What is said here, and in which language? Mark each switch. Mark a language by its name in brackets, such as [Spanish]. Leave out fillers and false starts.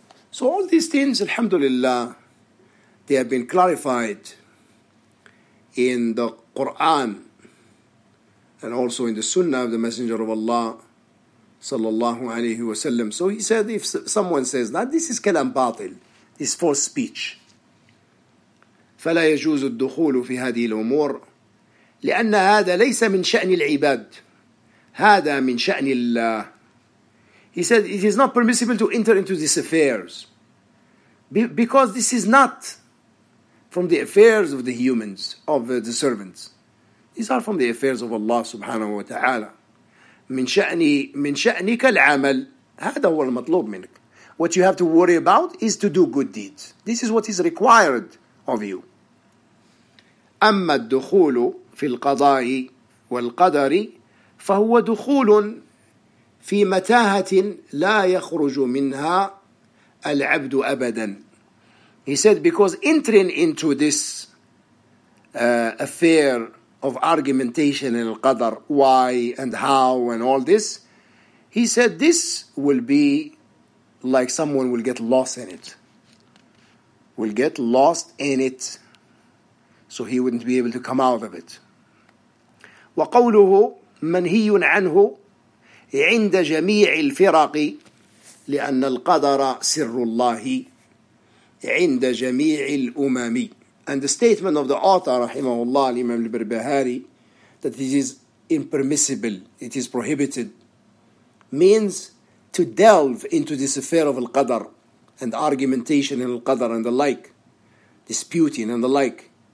[English] So all these things, alhamdulillah, they have been clarified in the Quran and also in the Sunnah of the Messenger of Allah, [Arabic] sallallahu alaihi wasallam. [English] So he said, if someone says, now this is [Arabic] kalam batil, [English] this false speech. [Arabic] فلا يجوز الدخول في هذه الأمور لأن هذا ليس من شأن العباد هذا من شأن الله. [English] He said it is not permissible to enter into these affairs because this is not from the affairs of the humans, of the servants. These are from the affairs of Allah subhanahu wa ta'ala. [Arabic] من شأنك العمل هذا هو المطلوب منك. [English] What you have to worry about is to do good deeds. This is what is required of you. [Arabic] أما الدخول في القضاء والقدر فهو دخول في متاهة لا يخرج منها العبد أبدا. [English] He said, because entering into this affair of argumentation in al-qadr, why and how and all this, he said, this will be like someone will get lost in it. Will get lost in it. So he wouldn't be able to come out of it. [Arabic] وقوله منهي عنه عند جميع الفرق لأن القدر سر الله عند جميع الأمم. [English] And the statement of the author, [Arabic] رحمه الله, [English] الإمام البربهاري, that this is impermissible, it is prohibited, means to delve into this affair of al-qadr and argumentation in al-qadr and the like, disputing and the like.